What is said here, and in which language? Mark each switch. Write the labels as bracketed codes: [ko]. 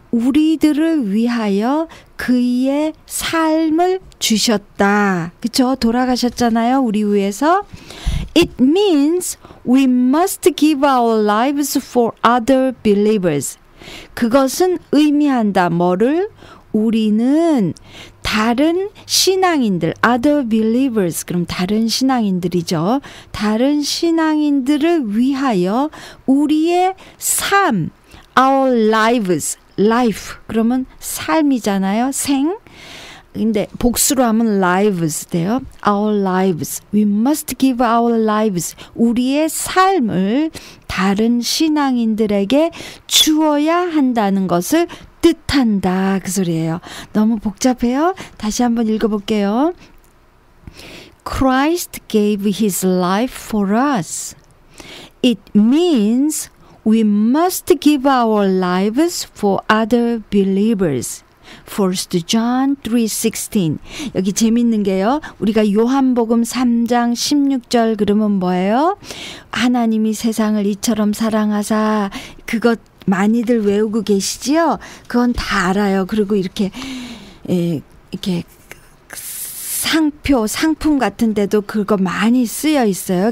[ko] 우리들을 위하여 그의 삶을 주셨다. 그쵸? 돌아가셨잖아요. 우리 위해서. [en] It means we must give our lives for other believers. [ko] 그것은 의미한다. 뭐를? 우리는 다른 신앙인들, other believers, 그럼 다른 신앙인들이죠. 다른 신앙인들을 위하여 우리의 삶, our lives, life, 그러면 삶이잖아요. 생. 근데 복수로 하면 lives 돼요. Our lives. [en] We must give our lives. [ko] 우리의 삶을 다른 신앙인들에게 주어야 한다는 것을 뜻한다. 그 소리예요. 너무 복잡해요. 다시 한번 읽어볼게요. [en] Christ gave his life for us. It means we must give our lives for other believers. [ko] 1 John 3:16. 여기 재밌는 게요. 우리가 요한복음 3장 16절 그러면 뭐예요? 하나님이 세상을 이처럼 사랑하사. 그것 많이들 외우고 계시지요? 그건 다 알아요. 그리고 이렇게 이렇게 상표, 상품 같은 데도 그거 많이 쓰여 있어요.